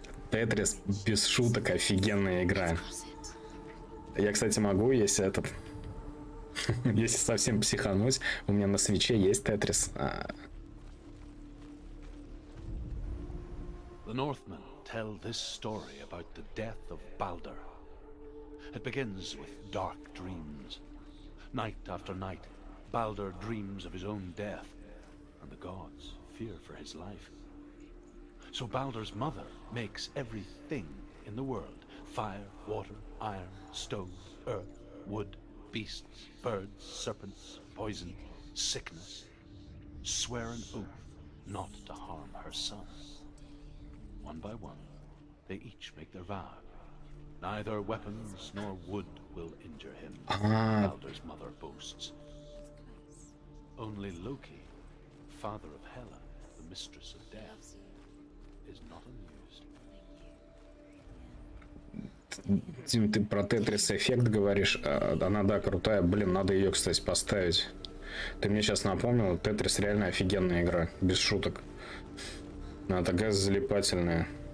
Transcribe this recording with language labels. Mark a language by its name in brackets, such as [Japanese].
[Russian] Тетрис, без шуток, офигенная игра. Я, кстати, могу, если этот... если совсем психануть, у меня на свече есть Тетрис. [English] The Northmen tell this story about the death of Baldur. It begins with dark dreams. Night after night, Baldur dreams of his own death, and the gods fear for his life. So Baldur's mother makes everything in the world, fire, water, iron, stone, earth, wood, beasts, birds, serpents, poison, sickness, swear an oath not to harm her son. One by one, they each make their vow. Neither weapons nor wood will injure him, Baldur's mother boasts. Only Loki, father of Hela, the mistress of death, is not amused. [Russian] Тим, ты про Тетрис эффект говоришь? Она, да, крутая. Блин, надо ее, кстати, поставить. Ты мне сейчас напомнил, Тетрис реально офигенная игра, без шуток. Она такая залипательная.